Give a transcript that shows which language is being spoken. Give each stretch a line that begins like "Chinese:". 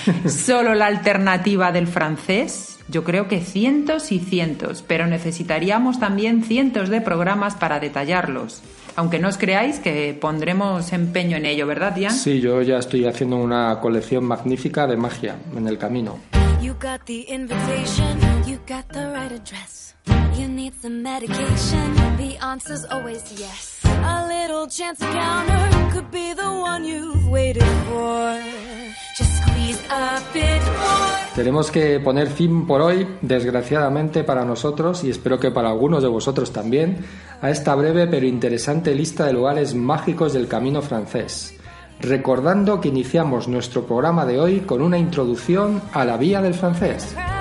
Spanish: Solo la alternativa del francés, yo creo que cientos y cientos, pero necesitaríamos también cientos de programas para detallarlos. Aunque no os creáis que pondremos empeño en ello, ¿verdad, Dian? Sí, yo ya estoy haciendo una colección magnífica de magia en el camino.
English: You got the invitation, you got the right address. You need the medication, the answer's always yes. A little chance encounter could be the one you've waited for. Just squeeze a bit more.
Spanish: Tenemos que poner fin por hoy, desgraciadamente para nosotros, y espero que para algunos de vosotros también, a esta breve pero interesante lista de lugares mágicos del Camino Francés. recordando que iniciamos nuestro programa de hoy con una introducción a la vía del francés.